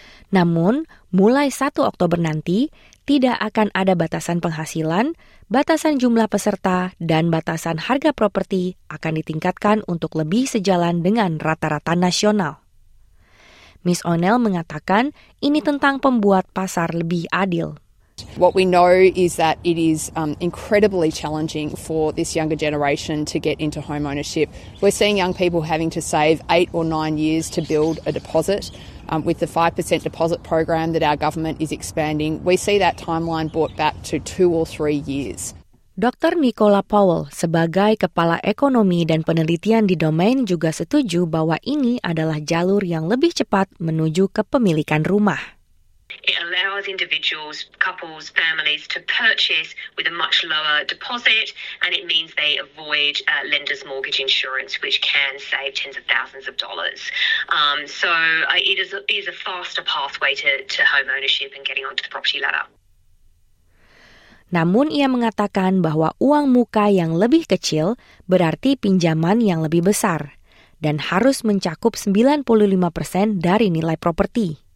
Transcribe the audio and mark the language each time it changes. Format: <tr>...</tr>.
<id>Namun, mulai 1 Oktober nanti, tidak akan ada batasan penghasilan, batasan jumlah peserta, dan batasan harga properti akan ditingkatkan untuk lebih sejalan dengan rata-rata nasional. Ms. O'Neill mengatakan ini tentang membuat pasar lebih adil.</id> <en>What we know is that it is incredibly challenging for this younger generation to get into home ownership. We're seeing young people having to save 8 or 9 years to build a deposit. With the 5% deposit program that our government is expanding, we see that timeline brought back to 2 or 3 years.</en> <id>Dr. Nicola Powell, sebagai kepala ekonomi dan penelitian di domain, juga setuju bahwa ini adalah jalur yang lebih cepat menuju kepemilikan rumah.</id> <en>It allows individuals, couples, families to purchase with a much lower deposit, and it means they avoid lender's mortgage insurance, which can save tens of thousands of dollars. So it is a faster pathway to home ownership and getting onto the property ladder.</en> <id>Namun ia mengatakan bahwa uang muka yang lebih kecil berarti pinjaman yang lebih besar dan harus mencakup 95% dari nilai properti.</id>